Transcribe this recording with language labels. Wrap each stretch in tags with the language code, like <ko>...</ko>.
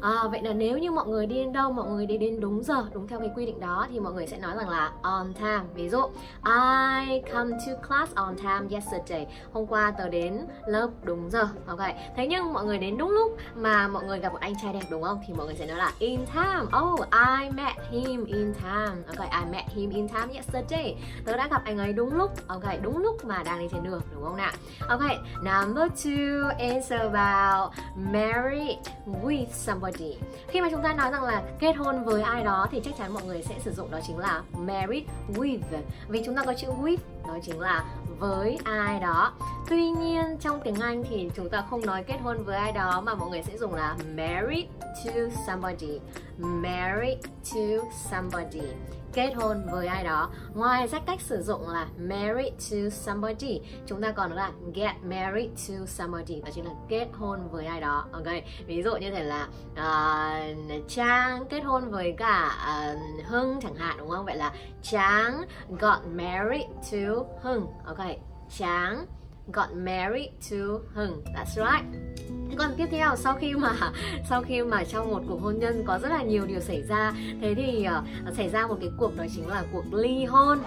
<vi>Vậy là nếu như mọi người đi đến đâu, mọi người đi đến đúng giờ, đúng theo cái quy định đó, thì mọi người sẽ nói rằng là on time. Ví dụ</vi> <en>I come to class on time yesterday,</en> <vi>hôm qua tớ đến lớp đúng giờ. Ok, thế nhưng mọi người đến đúng lúc mà mọi người gặp một anh trai đẹp đúng không, thì mọi người sẽ nói là in time.</vi> <en>Oh, I met him in time. Ok, I met him in time yesterday.</en> <vi>Tớ đã gặp anh ấy đúng lúc. Ok, đúng lúc mà đang đi trên đường, đúng không nào?</vi> <en>Ok, number 2 is about married with somebody.</en> <vi>Khi mà chúng ta nói rằng là kết hôn với ai đó thì chắc chắn mọi người sẽ sử dụng đó chính là married with. Vì chúng ta có chữ with, đó chính là với ai đó. Tuy nhiên trong tiếng Anh thì chúng ta không nói kết hôn với ai đó, mà mọi người sẽ dùng là married to somebody. Married to somebody, kết hôn với ai đó. Ngoài ra cách sử dụng là married to somebody, chúng ta còn là get married to somebody, đó chính là kết hôn với ai đó. Ok, ví dụ như thế là Trang kết hôn với cả Hưng chẳng hạn, đúng không? Vậy là</vi> <en>Trang got married to Hưng. Ok, Trang got married to Hưng, that's right.</en> <vi>Còn tiếp theo, sau khi mà trong một cuộc hôn nhân có rất là nhiều điều xảy ra, thế thì xảy ra một cái cuộc, đó chính là cuộc ly hôn.</vi>